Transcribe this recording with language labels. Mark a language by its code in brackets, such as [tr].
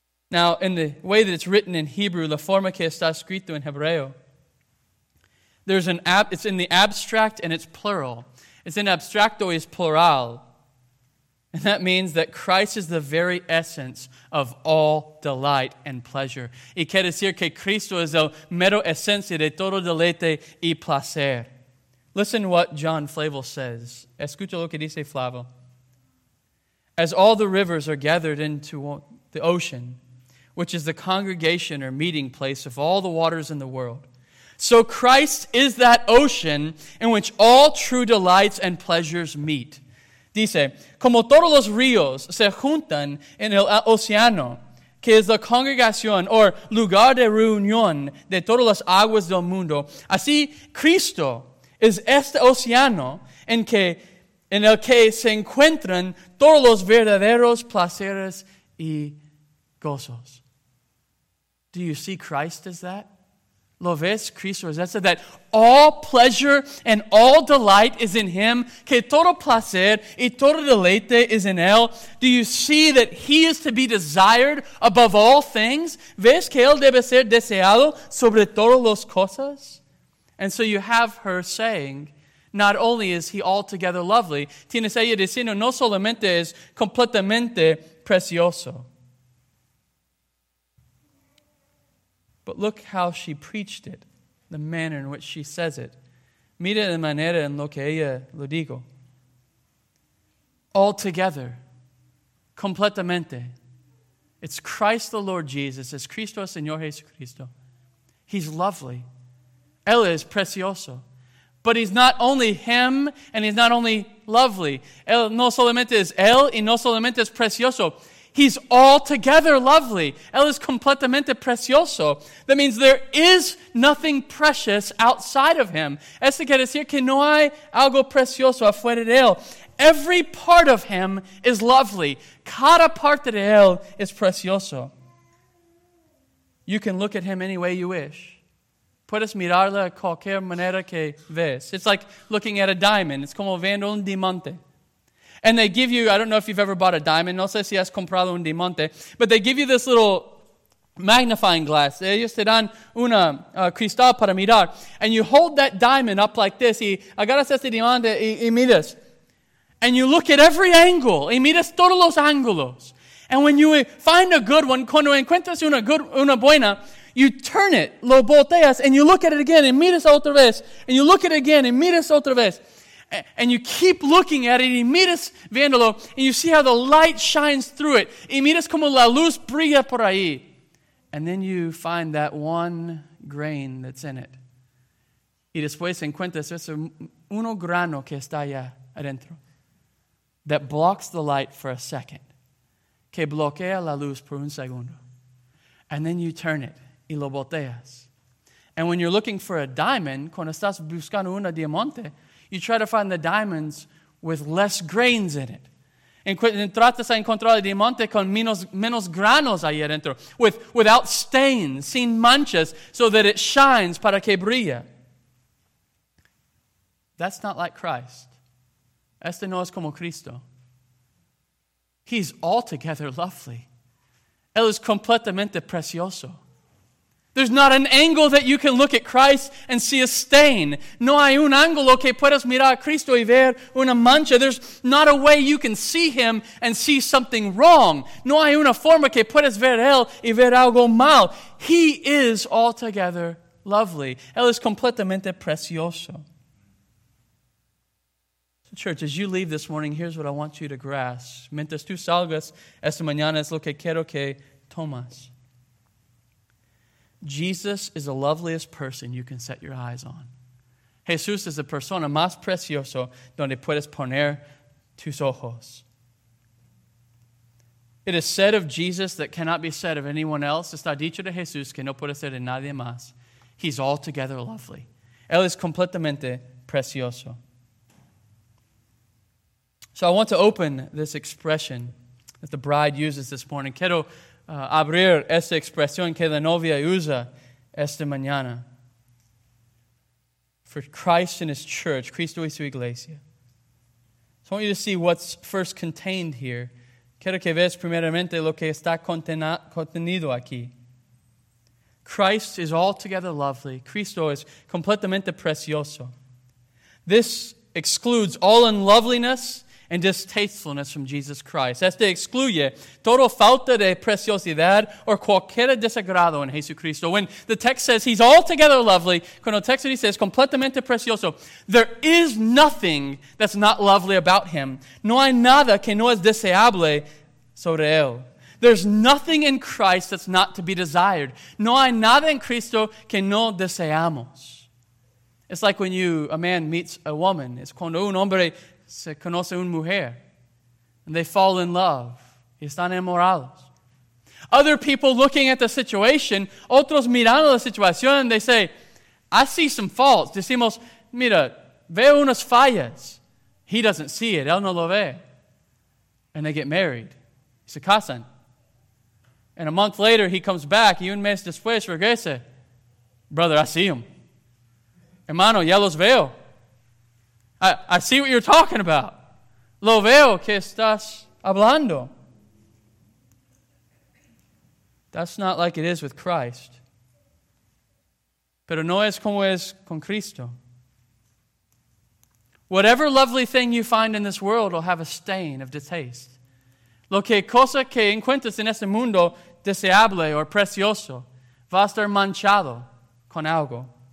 [en] Now, in the way that it's written in Hebrew, [es] la forma que está escrito en Hebreo, [en] it's in the abstract and it's plural. It's in abstracto is plural. And that means that Christ is the very essence of all delight and pleasure. [es] Y quiere decir que Cristo es el mero esencia de todo deleite y placer. [en] Listen what John Flavel says. [es] Escucha lo que dice Flavel. [en] As all the rivers are gathered into the ocean, which is the congregation or meeting place of all the waters in the world, so Christ is that ocean in which all true delights and pleasures meet. [es] Dice, como todos los ríos se juntan en el océano, que es la congregación o lugar de reunión de todas las aguas del mundo, así Cristo es este océano en el que se encuentran todos los verdaderos placeres y gozos. [en] Do you see Christ as that? [es] ¿Lo ves, Cristo? [en] Is that so that all pleasure and all delight is in Him? [es] Que todo placer y todo deleite [en] is in [es] Él? [en] Do you see that He is to be desired above all things? [es] ¿Ves que Él debe ser deseado sobre todas las cosas? [en] And so you have her saying, not only is He altogether lovely, [es] tienes ella diciendo, no solamente es completamente precioso. [en] But look how she preached it, the manner in which she says it. [es] Mira la manera en lo que ella lo digo. [en] Altogether, [es] completamente. [en] It's Christ the Lord Jesus, [es] es Cristo Señor Jesucristo. [en] He's lovely. [es] Él es precioso. [en] But He's not only Him, and He's not only lovely. [es] Él no solamente es Él, y no solamente es precioso. [en] He's altogether lovely. [es] Él es completamente precioso. [en] That means there is nothing precious outside of Him. [es] Eso quiere decir que no hay algo precioso afuera de Él. [en] Every part of Him is lovely. [es] Cada parte de Él es precioso. [en] You can look at Him any way you wish. [es] Puedes mirarla cualquier manera que ves. [en] It's like looking at a diamond. It's [es] como viendo un diamante. [en] And they give you, I don't know if you've ever bought a diamond, [es] no sé si has comprado un diamante, [en] but they give you this little magnifying glass. [es] Ellos te dan una cristal para mirar. [en] And you hold that diamond up like this, [es] y agarras este diamante y miras. [en] And you look at every angle, [es] y miras todos los ángulos. [en] And when you find a good one, [es] cuando encuentras una buena, [en] you turn it, [es] lo volteas, [en] and you look at it again, [es] y miras otra vez, [en] and you look at it again, y miras otra vez. And you keep looking at it, [es] y miras viéndolo, [en] and you see how the light shines through it. [es] Y miras como la luz brilla por ahí. [en] And then you find that one grain that's in it. [es] Y después encuentras ese uno grano que está allá adentro. [en] That blocks the light for a second. [es] Que bloquea la luz por un segundo. [en] And then you turn it, [es] y lo volteas. [en] And when you're looking for a diamond, [es] cuando estás buscando una diamante, [en] you try to find the diamonds with less grains in it. [es] Tratas de encontrar el diamante con menos granos ahí adentro. [en] Without stains, [es] sin manchas, [en] so that it shines [es] para que brilla. [en] That's not like Christ. [es] Este no es como Cristo. [en] He's altogether lovely. [es] Él es completamente precioso. [en] There's not an angle that you can look at Christ and see a stain. [es] No hay un ángulo que puedas mirar a Cristo y ver una mancha. [en] There's not a way you can see Him and see something wrong. [es] No hay una forma que puedas ver Él y ver algo mal. [en] He is altogether lovely. [es] Él es completamente precioso. [en] So church, as you leave this morning, here's what I want you to grasp. [es] Mientras tú salgas esta mañana, es lo que quiero que tomas. [en] Jesus is the loveliest person you can set your eyes on. [es] Jesús es la persona más preciosa donde puedes poner tus ojos. [en] It is said of Jesus that cannot be said of anyone else. [es] Está dicho de Jesús que no puede ser de nadie más. [en] He's altogether lovely. [es] Él es completamente precioso. [en] So I want to open this expression that the bride uses this morning. [es] Quiero abrir esta expresión que la novia usa esta mañana. [en] For Christ and His church, [es] Cristo y su iglesia. [en] So I want you to see what's first contained here. [es] Quiero que veas primeramente lo que está contenido aquí. [en] Christ is altogether lovely. [es] Cristo es completamente precioso. [en] This excludes all unloveliness and distastefulness from Jesus Christ. [es] Este excluye toda falta de preciosidad o cualquier desagrado en Jesucristo. [en] When the text says he's altogether lovely, [es] cuando el texto dice es completamente precioso, [en] there is nothing that's not lovely about him. [es] No hay nada que no es deseable sobre él. [en] There's nothing in Christ that's not to be desired. [es] No hay nada en Cristo que no deseamos. [en] It's like when a man meets a woman. [es] Es cuando un hombre se conoce una mujer. [en] And they fall in love. [es] Y están enamorados. [en] Other people looking at the situation, [es] otros mirando la situación, [en] they say, I see some faults. [es] Decimos, mira, veo unas fallas. [en] He doesn't see it. [es] Él no lo ve. [en] And they get married. [es] Se casan. [en] And a month later, he comes back. [es] Y un mes después, regresa. [en] Brother, I see him. [es] Hermano, ya los veo. [en] I see what you're talking about. [es] Lo veo que estás hablando. [en] That's not like it is with Christ. [es] Pero no es como es con Cristo. [en] Whatever lovely thing you find in this world will have a stain of distaste. [es] Lo que cosa que encuentres en este mundo deseable o precioso va a estar manchado con algo.